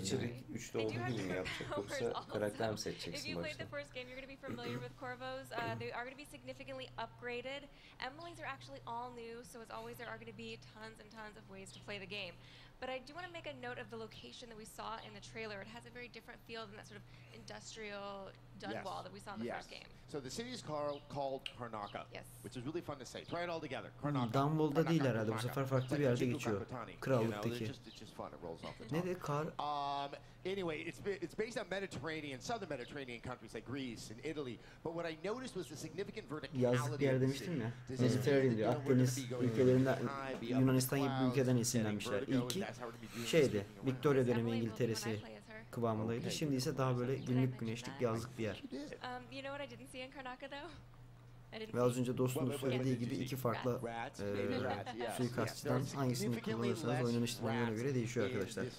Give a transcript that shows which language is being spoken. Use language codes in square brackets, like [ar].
[tr] İçerik 3'te olduğu gibi mi yapacak yoksa karakter mi seçeceksin başta? [en] If you played the first game, you're going to be familiar with Corvos. They are going to be significantly upgraded. Emily's are actually all new, so as always there are going to be tons and tons of ways to play the game. But I do want to make a note of the location that we saw in the trailer. It has a very different feel than that sort of industrial Dunwall that we saw in the first game. So the city is called Karnaka. Yes. Which is really fun to say. Try it all together. Karnaka. [tr] Dunwall'da değil herhalde. Bu sefer farklı bir yerde geçiyor. Krallıktaki. Ne de kar? [en] Anyway, it's based on Mediterranean, southern Mediterranean countries like Greece and Italy. But what I noticed was the significant verticality. [tr] Yazlık yer demiştim ya. Mediterranean diyor. Akdeniz ülkelerinden, Yunanistan gibi ülkeden isimlenmişler. İlki şeydi, Victoria dönemi İngiltere'si kıvamındaydı. Şimdi ise daha böyle günlük güneşlik yazlık bir yer. [en] You know what I didn't see in Karnaka though? [tr] Ve az önce dostumuz söylediği gibi iki farklı suikastçıdan hangisini kullanırsanız oynanış dinamiklerine göre değişiyor arkadaşlar.